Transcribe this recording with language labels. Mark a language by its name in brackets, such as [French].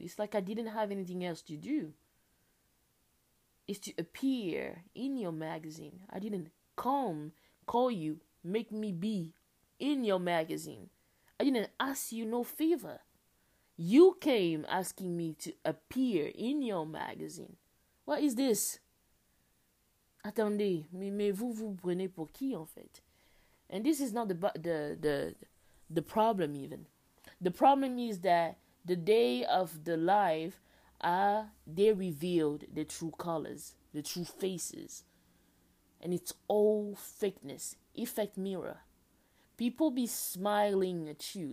[English] It's like I didn't have anything else to do. It's to appear in your magazine. I didn't come, call you, make me be in your magazine. I didn't ask you no favor. You came asking me to appear in your magazine. What is this? [French] Attendez, mais vous vous prenez pour qui en fait? [English] And this is not the problem even. The problem is that the day of the live, they revealed the true colors, the true faces. And it's all fakeness, effect mirror. People be smiling at you.